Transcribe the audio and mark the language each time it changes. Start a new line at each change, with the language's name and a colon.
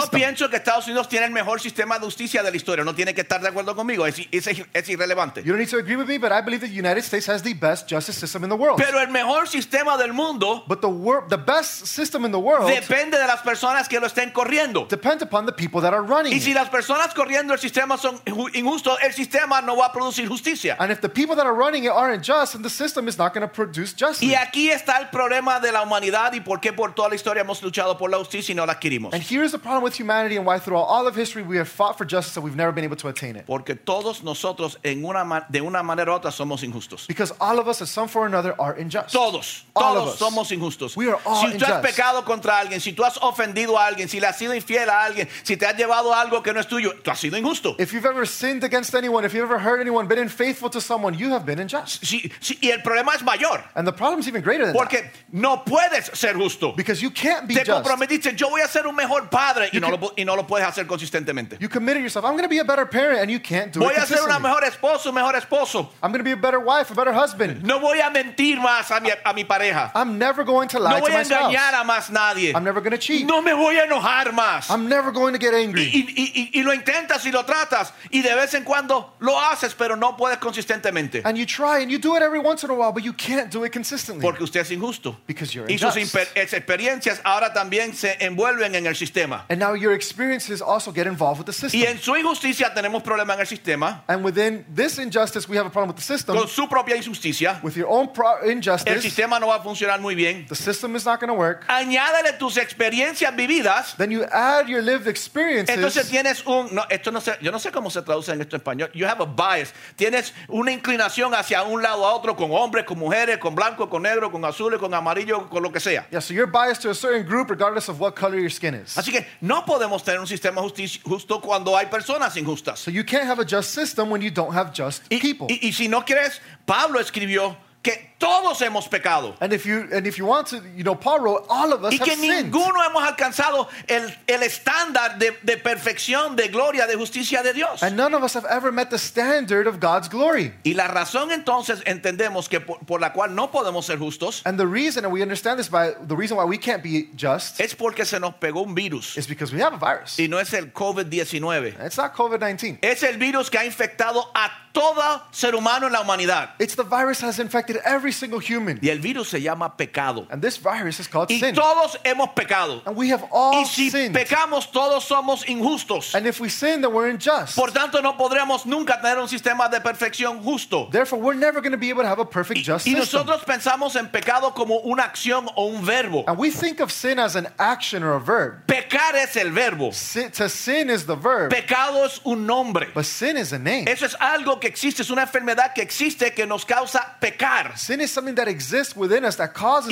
Spanish: Yo pienso que Estados Unidos tiene el mejor sistema de justicia de la historia. No tiene que estar de acuerdo conmigo. Es irrelevante.
English: You don't need to agree with me, but I believe the United States has the best justice system in the world.
Spanish: Pero el mejor sistema del mundo.
English: But the best system in the world.
Spanish: Depende de las personas que lo estén corriendo.
English: Depends upon the people that are running.
Spanish: Y si las personas corriendo el sistema son injustos, el sistema no va a producir justicia.
English: And if the people that are running it aren't just, then the system is not going to produce justice.
Spanish: Y aquí está el problema de la humanidad y por qué por toda la historia hemos luchado por la justicia y no la adquirimos.
English: And here is the problem with humanity and why throughout all of history we have fought for justice and we've never been able to attain it.
Spanish: Porque todos nosotros de una manera u otra somos injustos.
English: Because all of us at some form or another are unjust.
Spanish: Todos.
English: All
Spanish: todos somos injustos.
English: We are all
Spanish: si
English: unjust.
Spanish: Si tú has pecado contra alguien, si tú has ofendido a alguien, si le has sido infiel a alguien, si te has llevado algo que no es tuyo, tú has sido injusto.
English: If you've ever sinned against anyone, if you've ever hurt anyone, been unfaithful to someone, you have been unjust.
Spanish: Si, y el problema es mayor.
English: And the problem is even greater than
Spanish: porque
English: that.
Spanish: Porque no puedes ser justo.
English: Because you can't be
Spanish: te
English: just.
Spanish: Te comprometiste, yo voy a ser un mejor padre y no lo puedes hacer.
English: You committed yourself. I'm going to be a better parent, and you can't do
Spanish: voy
English: it consistently.
Spanish: Voy a ser una mejor esposo, mejor esposo.
English: I'm going to be a better wife, a better husband.
Spanish: No voy a mentir más a mi pareja.
English: I'm never going to lie
Spanish: no
English: to myself.
Spanish: No voy a engañar a más nadie.
English: I'm never going to cheat.
Spanish: No me voy a enojar más.
English: I'm never going to get angry.
Spanish: Y lo intentas y lo tratas y de vez en cuando lo haces, pero no puedes consistentemente.
English: And you try and you do it every once in a while, but you can't do it consistently.
Spanish: Porque usted es injusto.
English: Because you're unjust.
Spanish: Y sus experiencias ahora también se envuelven en el sistema.
English: And now your experiences also get involved with the system.
Spanish: Y en su injusticia tenemos problema en el sistema.
English: And within this injustice, we have a problem with the system.
Spanish: Con su propia injusticia.
English: With your own injustice.
Spanish: El sistema no va a funcionar muy bien.
English: The system is not going to work.
Spanish: Añádale tus experiencias vividas.
English: Then you add your lived experiences.
Spanish: Entonces tienes un no, esto no sé, yo no sé cómo se traduce en esto en español.
English: You have a bias.
Spanish: Tienes una inclinación hacia un lado o otro con hombres, con mujeres, con blanco, con negro, con azul, con amarillo, con lo que sea.
English: Yeah, so you're biased to a certain group regardless of what color your skin is.
Spanish: Así que no podemos tener un sistema justo cuando hay personas injustas.
English: So you can't have a just system when you don't have just people.
Spanish: Y si no crees, Pablo escribió que todos hemos pecado.
English: And if you want to, you know, Paul wrote, all of us have sinned.
Spanish: Y que ninguno hemos alcanzado el estándar de perfección, de gloria, de justicia de Dios.
English: And none of us have ever met the standard of God's glory.
Spanish: Y la razón entonces entendemos que por la cual no podemos ser justos.
English: And the reason, and we understand this, by the reason why we can't be just.
Spanish: Es porque se nos pegó un virus.
English: It's because we have a virus.
Spanish: Y no es el COVID-19.
English: It's not COVID-19.
Spanish: Es el virus que ha infectado a todo ser humano en la humanidad.
English: It's the virus that has infected every single human.
Spanish: Y el virus se llama pecado.
English: And this virus is called
Spanish: y
English: sin.
Spanish: Y todos hemos pecado.
English: And we have all sinned.
Spanish: Y si
English: sinned.
Spanish: Pecamos, todos somos injustos.
English: And if we sin, then we're unjust.
Spanish: Por tanto, no podremos nunca tener un sistema de perfección justo.
English: Therefore, we're never going to be able to have a perfect just system.
Spanish: Y nosotros pensamos en pecado como una acción o un verbo.
English: And we think of sin as an action or a verb.
Spanish: Pecar es el verbo.
English: To sin is the verb.
Spanish: Pecado es un nombre.
English: But sin is a name.
Spanish: Eso es algo que existe, es una enfermedad que existe que nos causa pecar.
English: Sin is something that exists within us that causes